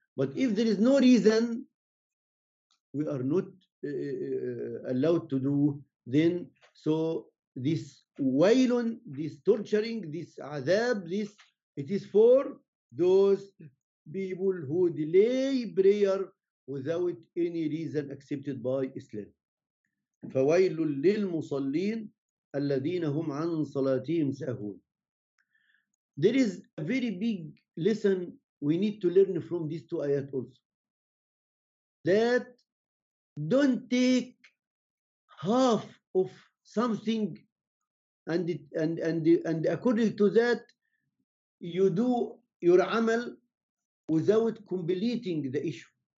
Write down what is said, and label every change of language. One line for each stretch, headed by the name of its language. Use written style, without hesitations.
English: But if there is no reason, we are not allowed to do, then so this wailun, this torturing, this azab, this, it is for those people who delay prayer without any reason accepted by Islam.
Arabic: فَوَيْلٌ لِلْمُصَلِّينَ الذين هم عن صلاتهم ساهون.
English: There is a very big lesson we need to learn from these two ayat also. That don't take half of something and according to that you do your amal without completing the issue.